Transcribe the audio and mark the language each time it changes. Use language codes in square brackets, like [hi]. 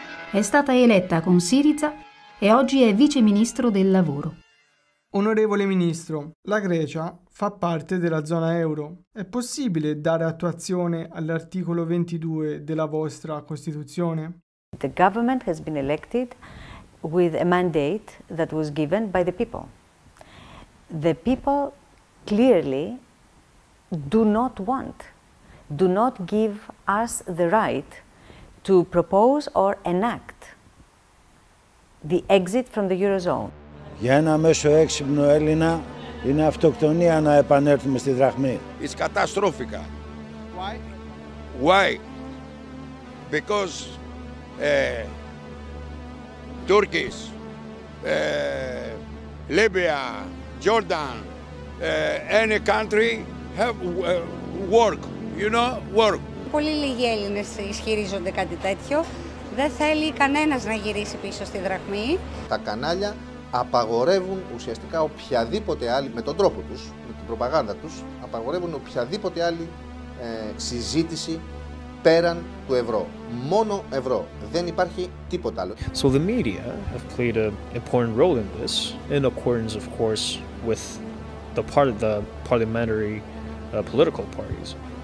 [it] È stata eletta con Syriza e oggi è vice ministro del lavoro. Onorevole ministro, la Grecia fa parte della zona euro. È possibile dare attuazione all'articolo 22 della vostra Costituzione? [en] The government has been elected with a mandate that was given by the people. The people clearly do not give us the right to propose or enact the exit from the Eurozone. [el] Για ένα μέσο έξυπνο Έλληνα Είναι αυτοκτονία να επανέλθουμε στη δραχμή. [en] It's catastrophic. Why? Why? Because Turkeys, Libya, Jordan, any country have work, you know, work. [el] Πολύ λίγοι Έλληνες ισχυρίζονται κάτι τέτοιο. Δεν θέλει κανένας να γυρίσει πίσω στη δραχμή. Τα κανάλια απαγορεύουν ουσιαστικά οποιαδήποτε άλλη, με τον τρόπο τους, με την προπαγάνδα τους, απαγορεύουν οποιαδήποτε άλλη συζήτηση πέραν του ευρώ. Μόνο ευρώ. Δεν υπάρχει τίποτα άλλο. [en] So the media have played an important role in this, in accordance, of course, with the parliamentary political parties.